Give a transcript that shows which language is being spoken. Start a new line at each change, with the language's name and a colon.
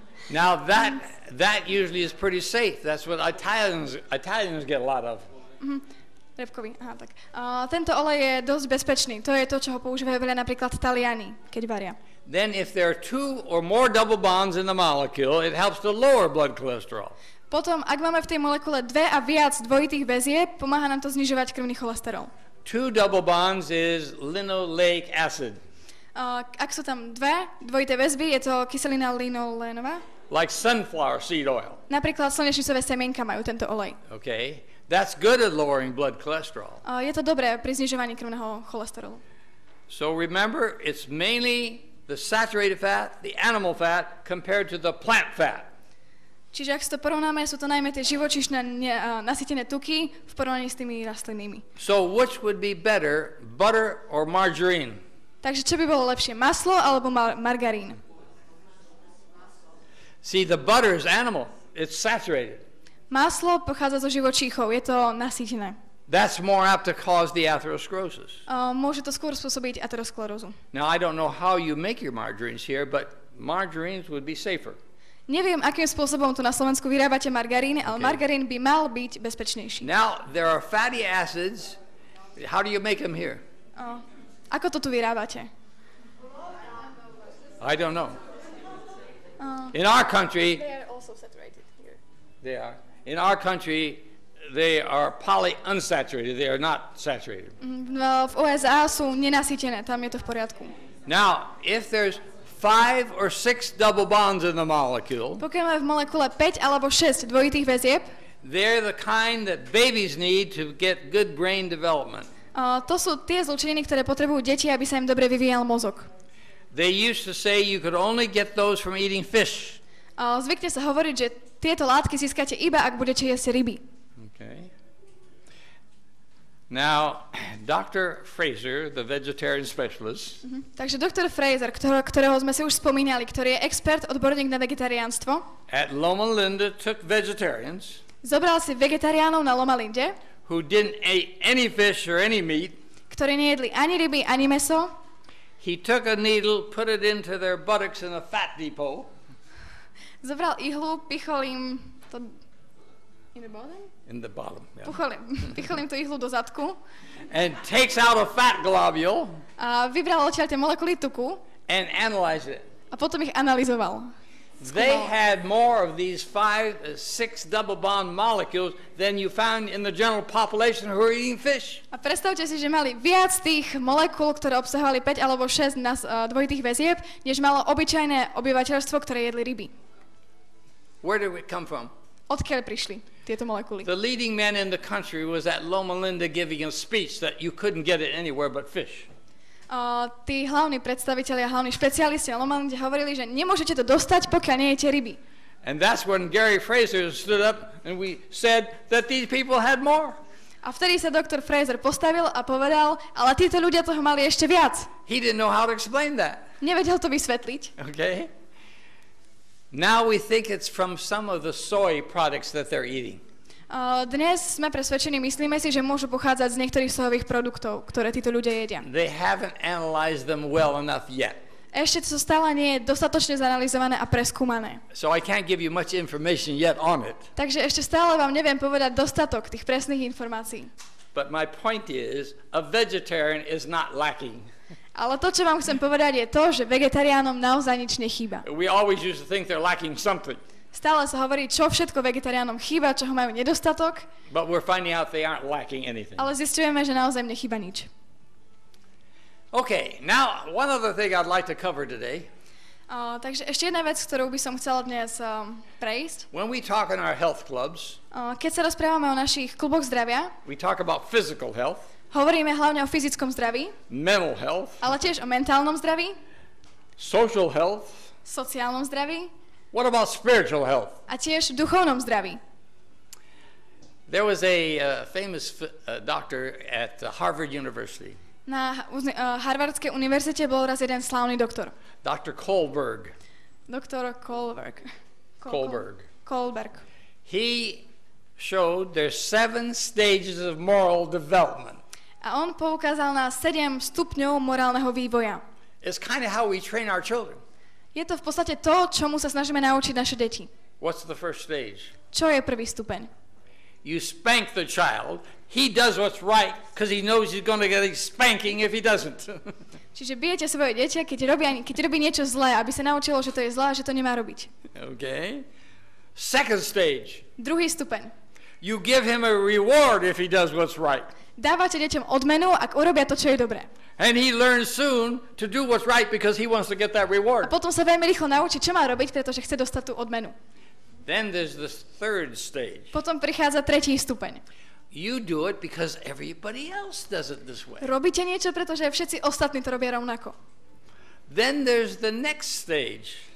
English: Now that usually is pretty safe. That's what Italians get a lot of.
Slovak: Repkový, aha, tak. Tento olej je dosť bezpečný. To je to, čo ho používajú veľa napríklad Taliani, keď varia.
English: Then if there are two or more double bonds in the molecule, it helps to lower blood cholesterol.
Slovak: Potom, ak máme v tej molekule dve a viac dvojitých väzieb, pomáha nám to znižovať krvný cholesterol.
English: Two double bonds is linoleic acid.
Slovak: Ak sú tam dve dvojité väzby, je to kyselina linolénová.
English: Like sunflower seed oil.
Slovak: Napríklad slnečnicové semienka majú tento olej.
English: Okay. That's good at lowering blood cholesterol.
Slovak: Je to dobré pri znižovaní krvného cholesterolu.
English: So remember, it's mainly the saturated fat, the animal fat, compared to the plant fat.
Slovak: Čiže ak si to porovnáme, sú to najmä tie živočíšne nasýtené tuky v porovnaní s tými rastlinnými.
English: So which would be better, butter or margarine?
Slovak: Takže čo by bolo lepšie, maslo alebo margarín?
English: See, the butter is animal. It's saturated.
Slovak: Maslo pochádza zo živočíchov, je to nasýtené.
English: That's more apt to cause the atherosclerosis.
Slovak: Môže to skôr spôsobiť aterosklerózu.
English: Now I don't know how you make your margarines here, but margarines would be safer.
Slovak: Neviem, akým spôsobom tu na Slovensku vyrábate margaríny, ale okay. Margarín by mal byť bezpečnejší.
English: Now there are fatty acids. How do you make them here?
Slovak: Ako to tu vyrábate?
English: I don't know. In our country they are also saturated here. They are. In our country they are polyunsaturated. They are not saturated.
Slovak: V USA sú nenasýtené, tam je to v poriadku.
English: Now, if there's 5 or 6 double bonds in the molecule.
Slovak: Pokiaľ máme v molekule 5 alebo 6 dvojitých väzieb.
English: They're the kind that babies need to get good brain development.
Slovak: To sú tie zlučeniny, ktoré potrebujú deti, aby sa im dobre vyvíjal mozog.
English: They used to say you could only get those from eating fish.
Slovak: Zvykne sa hovoriť, že tieto látky získate iba ak budete jesť ryby.
English: Okay. Now, Dr. Fraser, the vegetarian specialist.
Slovak: Takže Dr. Fraser, ktorého sme si už spomínali, ktorý je expert, odborník na vegetariánstvo.
English: At Loma Linda took vegetarians.
Slovak: Zobral si vegetariánov na Loma Linde.
English: Who didn't eat any fish or any meat.
Slovak: Ktorí nejedli ani ryby, ani meso.
English: He took a needle, put it into their buttocks in a fat depot.
Slovak: Zobral ihlu, pichol im to...
English: In the bottom.
Slovak: Pichol im tú ihlu do zadku.
English: And takes out a fat globule.
Slovak: A vybral odtiaľ tie molekuly tuku.
English: And analyzed it.
Slovak: A potom ich analyzoval.
English: They had more of these 5-6 double bond molecules than you found in the general population who are eating fish.
Slovak: A predstavte si, že mali viac tých molekúl, ktoré obsahovali 5 alebo 6 dvojitých väzieb, než malo obyčajné obyvateľstvo, ktoré jedli ryby.
English: Where did it come from?
Slovak: Odkiaľ prišli tieto molekuly?
English: The leading man in the country was at Loma Linda giving a speech that you couldn't get it anywhere but fish.
Slovak: Tí hlavní predstavitelia a hlavní špecialisti na Loma Linde hovorili, že nemôžete to dostať, pokiaľ nie jete ryby.
English: And that's when Gary Fraser stood up and we said that these people had more.
Slovak: A vtedy sa Dr. Fraser postavil a povedal, ale títo ľudia toho mali ešte viac.
English: He didn't know how to explain that.
Slovak: Nevedel to vysvetliť.
English: Okay. Now we think it's from some of the soy products that they're eating.
Slovak: Dnes sme presvedčení, myslíme si, že môžu pochádzať z niektorých sojových produktov, ktoré títo ľudia jedia.
English: They haven't analyzed them well enough yet.
Slovak: Ešte to stále nie je dostatočne zanalyzované a preskúmané.
English: So I can't give you much information yet on it.
Slovak: Takže ešte stále vám neviem povedať dostatok tých presných informácií.
English: But my point is, a vegetarian is not lacking.
Slovak: Ale to, čo vám chcem povedať, je to, že vegetariánom naozaj nič nechýba.
English: We always used to think they're lacking something.
Slovak: Stále sa hovorí, čo všetko vegetariánom chýba, čoho majú nedostatok.
English: But we're finding out they aren't lacking anything.
Slovak: Ale zistujeme, že naozaj nechýba nič.
English: Okay, now one other thing I'd like to cover today.
Slovak: Takže ešte jedna vec, ktorú by som chcela dnes prejsť.
English: When we talk in our health clubs,
Slovak: keď sa rozprávame o našich kluboch zdravia,
English: we talk about physical health,
Slovak: hovoríme hlavne o fyzickom zdraví,
English: mental health,
Slovak: ale tiež o mentálnom zdraví,
English: social health,
Slovak: sociálnom zdraví,
English: what about spiritual health?
Slovak: A tiež v duchovnom zdraví.
English: There was a famous doctor at Harvard University.
Slovak: Na Harvardskej univerzite bol raz jeden slávny doktor.
English: Dr. Kohlberg.
Slovak: Dr. Kohlberg.
English: Kohlberg.
Slovak: Kohlberg.
English: He showed there's 7 stages of moral development.
Slovak: A on poukázal na 7 stupňov morálneho vývoja.
English: It's kind of how we train our children.
Slovak: Je to v podstate to, čomu sa snažíme naučiť naše deti.
English: What's the first stage?
Slovak: Čo je prvý stupeň?
English: You spank the child. He does what's right because he knows he's going to get a spanking if he doesn't.
Slovak: Čiže bijete svoje dieťa, keď robí niečo zlé, aby sa naučilo, že to je zlé, že to nemá robiť.
English: Okay. Second stage.
Slovak: Druhý stupeň.
English: You give him a reward if he does what's right.
Slovak: Dávate deťom odmenu, ak urobia to, čo je dobré.
English: And he learns soon to do what's right because he wants to get that reward.
Slovak: A potom sa veľmi rýchlo naučí, čo má robiť, pretože chce dostať tú odmenu.
English: Then there's the third stage.
Slovak: Potom prichádza tretí stupeň.
English: You do it because everybody else does it this way.
Slovak: Robíte niečo, pretože všetci ostatní to robia rovnako.
English: Then there's the next stage.